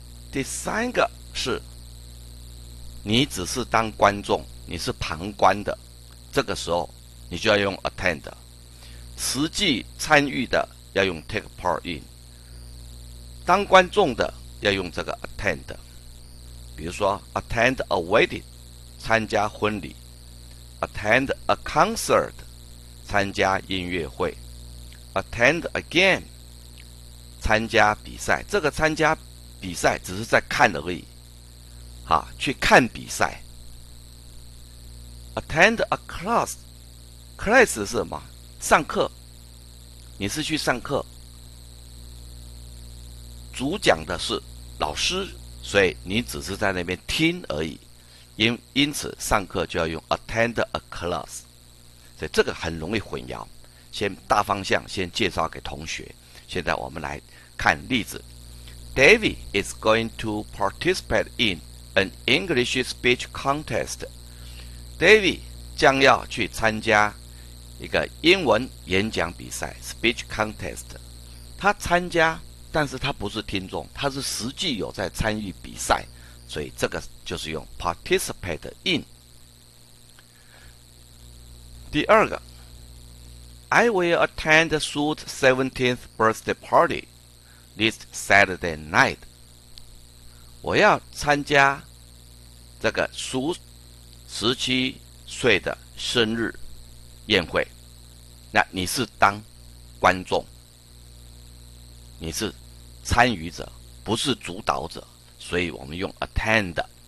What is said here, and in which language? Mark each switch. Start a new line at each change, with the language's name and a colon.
Chinese: 第三个是你只是当观众，你是旁观的，这个时候你就要用 attend， 实际参与的要用 take part in，当观众的要用这个 attend。比如说 attend a wedding，参加婚礼， attend a concert，参加音乐会， attend a game，参加比赛。这个参加比赛只是在看而已，去看比赛。
English: attend a class， class 是什么？
Chinese: 上课，你是去上课，主讲的是老师，所以你只是在那边听而已。因此上课就要用 attend a class，所以这个很容易混淆。先大方向先介绍给同学，现在我们来看例子。
English: David is going to participate inAn English speech contest.
Chinese: David 将要去参加一个英文演讲比赛 speech contest。他参加，但是他不是听众，他是实际有在参与比赛，所以这个就是用 participate in。
English: 第二个， I will attend Su's 17th birthday party this Saturday night.
Chinese: 我要参加这个苏十七岁的生日宴会，那你是当观众，你是参与者，不是主导者，所以我们用 attend。